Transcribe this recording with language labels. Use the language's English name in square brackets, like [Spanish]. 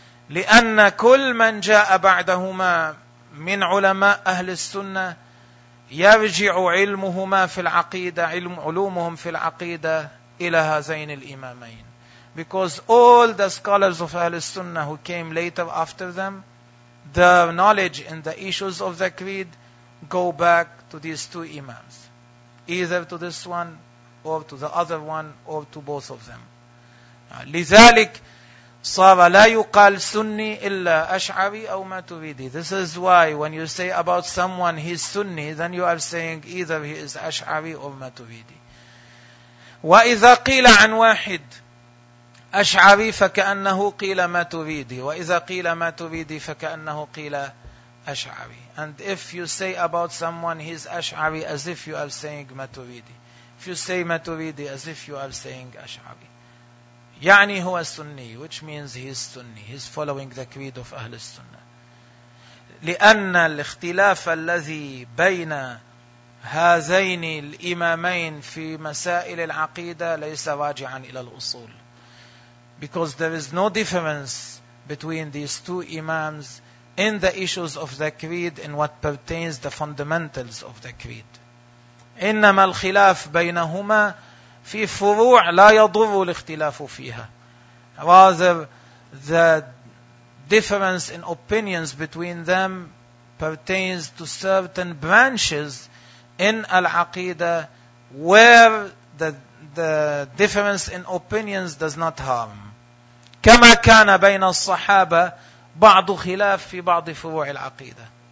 [Arabic] لأن كل من جاء بعدهما من علماء أهل السنة يرجع علمهما في العقيدة علم علومهم في العقيدة إلى هذين الإمامين. [English] Because all the scholars of Ahl al-Sunnah who came later after them, their knowledge in the issues of the creed go back to these two imams. Either to this one or to the other one or to both of them. [Arabic] لذلك صار لا يقال سني إلا أشعري أو ما تريدي. [English] This is why when you say about someone he's Sunni, then you are saying either he is أشعري or ما تريدي. [Arabic] وإذا قيل عن واحد أشعري فكأنه قيل ما تريدي وإذا قيل ما تريدي فكأنه قيل أشعري. [English] And if you say about someone he's أشعري as if you are saying ما تريدي. If you say ما تريدي as if you are saying أشعري. [Arabic] يعني هو سني, [English] which means he is Sunni. He is following the creed of أهل السنة. [Arabic] لأن الاختلاف الذي بين هذين الإمامين في مسائل العقيدة ليس راجعا إلى الأصول. [English] Because there is no difference between these two imams in the issues of the creed in what pertains the fundamentals of the creed. [Arabic] إنما الخلاف بينهما في فروع لا يضر الاختلاف فيها. [English] Rather, the difference in opinions between them pertains to certain branches in al-aqidah where the difference in opinions does not harm. [Arabic] كما كان بين الصحابة بعض خلاف في بعض فروع العقيدة.